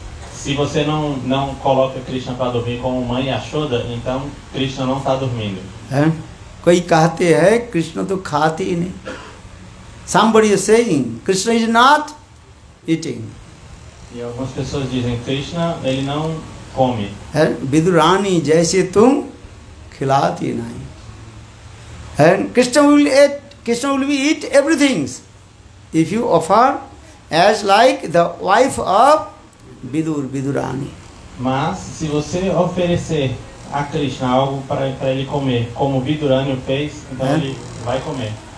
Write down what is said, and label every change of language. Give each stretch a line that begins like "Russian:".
Portuguese: Se você não coloca Krishna para dormir como mãe Yashoda, então Krishna não está dormindo.
Hindi: Koi kahte hai, Krishna to khate nahi.
English: Somebody is saying, Krishna is not eating.
Portuguese: E algumas pessoas dizem, Krishna, ele não come.
Hindi: Vidurani, jaise tum khilati nahi.
English: And Krishna will be eat everything if you offer as like the wife of Vidur, Vidurani.
Portuguese: Mas se você oferecer a Krishna algo para ele comer, como Vidurani fez, então ele vai comer.